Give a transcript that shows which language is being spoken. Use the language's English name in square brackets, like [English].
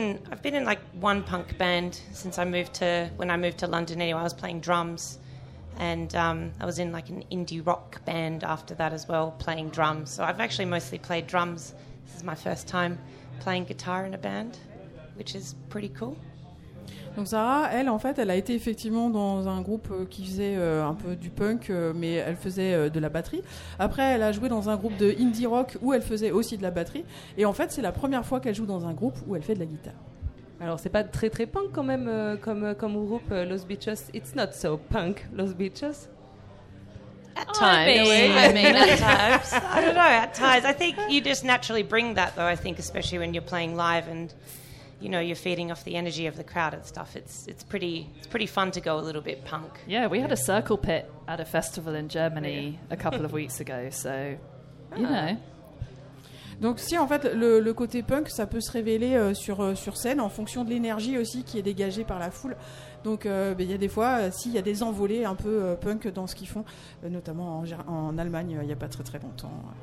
[English] I've been in like one punk band since I moved to, when I moved to London anyway. I was playing drums and I was in like an indie rock band after that as well, playing drums. So I've actually mostly played drums. This is my first time playing guitar in a band, which is pretty cool. [French] Donc Sarah, elle, en fait, elle a été effectivement dans un groupe qui faisait un peu du punk, mais elle faisait de la batterie. Après, elle a joué dans un groupe de indie rock où elle faisait aussi de la batterie. Et en fait, c'est la première fois qu'elle joue dans un groupe où elle fait de la guitare. Alors, c'est pas très très punk quand même comme groupe, Los Bichos. [English] It's not so punk, Los Bichos. At times. I mean, at times. I don't know, at times. I think you just naturally bring that, though, I think, especially when you're playing live and... You know, you're feeding off the energy of the crowd and stuff. It's pretty fun to go a little bit punk. Yeah, we had a circle pit at a festival in Germany a couple of weeks ago, so, you know. [French] Donc si, en fait, le côté punk, ça peut se révéler sur scène en fonction de l'énergie aussi qui est dégagée par la foule. Donc il y a des fois, s'il y a des envolées un peu punk dans ce qu'ils font, notamment en Allemagne, il n'y a pas très très longtemps...